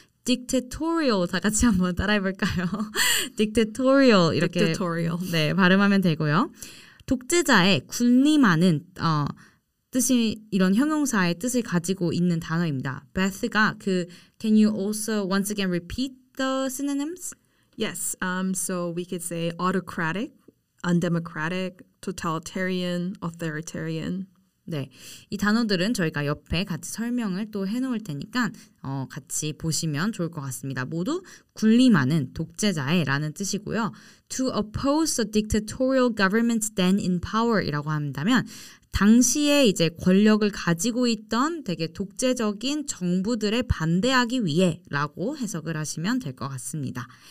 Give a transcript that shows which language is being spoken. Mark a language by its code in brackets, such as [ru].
[en] Dictatorial, [ko] 다 같이 한번 따라해볼까요? Dictatorial, 이렇게 [en] Dictatorial. [ko] 네, 발음하면 되고요. 독재자의 군림하는 뜻이 이런 형용사의 뜻을 가지고 있는 단어입니다. [en] Beth가 [ko] 그 [en] Can you also once again repeat the synonyms? Yes, so we could say autocratic, undemocratic, totalitarian, authoritarian. [ko] 네, 이 단어들은 저희가 옆에 같이 설명을 또 해놓을 테니까 같이 보시면 좋을 것 같습니다. 모두 군림하는 독재자의라는 뜻이고요. [en] To oppose a dictatorial government then in power [ko] 이라고 한다면 당시에 이제 권력을 가지고 있던 되게 독재적인 정부들에 반대하기 위해라고 해석을 하시면 될 것 같습니다.